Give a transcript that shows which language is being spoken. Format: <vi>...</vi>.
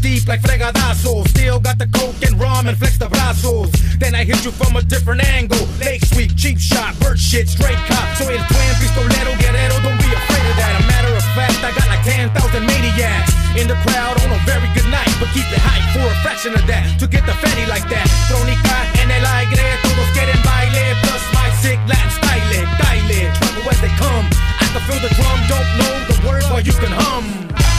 <en>Like fregadazos, still got the coke and rum and flex the brazos. Then I hit you from a different angle. Late sweep, cheap shot, bird shit, straight cop.</en> <es>Soy el twin, pistolero, guerrero,</es> <en>don't be afraid of that. A matter of fact, I got like 10,000 maniacs in the crowd on a very good night. But keep it hype for a fraction of that, to get the fatty like that.</en> <es>Tronica en el aire, todos quieren baile.</es> <en>Plus my sick Latin style, dale. Trouble as they come, I can feel the drum. Don't know the word, but you can hum.</en>